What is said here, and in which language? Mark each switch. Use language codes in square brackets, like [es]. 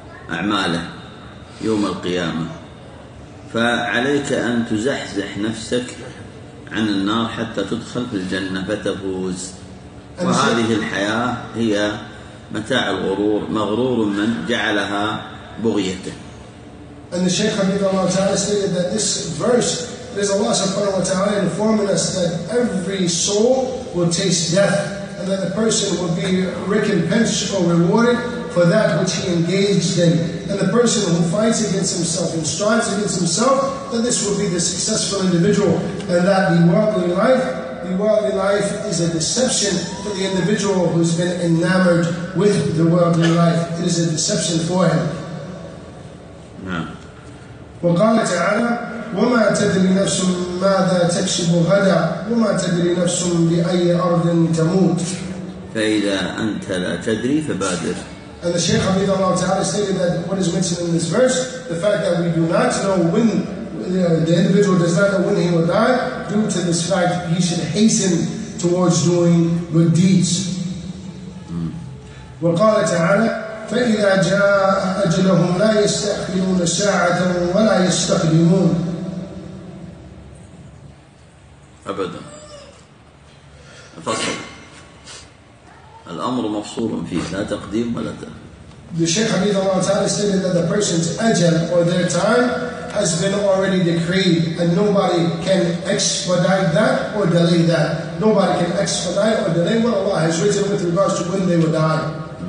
[ar] أعماله يوم القيامة. فعليك أن تزحزح نفسك عن النار حتى تدخل في الجنة فتفوز. وهذه الحياة هي متاع الغرور، مغرور من جعلها بغيته. [en] And the Shaykh Habib Allah Ta'ala stated that this verse, it is Allah Subhanahu wa Ta'ala informing us that every soul will taste death, and that the person will be recompensed or rewarded for that which he engaged in. And the person who fights against himself and strives against himself, then this will be the successful individual. And that the worldly life is a deception for the individual who's been enamored with the worldly life. It is a deception for him. [ar] وقال تعالى وما تدري نفس ماذا تكسب غدا وما تدري نفس بأي أرض تموت فإذا أنت لا تدري فبادر. [en] And the Shaykh Habib Allah Ta'ala stated that what is mentioned in this verse, the fact that we do not know when the individual does not know when he will die, due to this fact he should hasten towards doing good deeds. [ar] وقال تعالى فَإِذَا جَاءَ أَجْلَهُمْ لَا يَسْتَأْخِرُونَ سَاعَةً وَلَا يَسْتَقْدِمُونَ أبداً. فصل الأمر مفصول فيه لا تقديم ولا تأخير. [en] The Shaykh Habib Allah Ta'ala stated that the person's ajal or their time has been already decreed, and nobody can expedite that or delay that. Nobody can expedite or delay what Allah has written with regards to when they will die.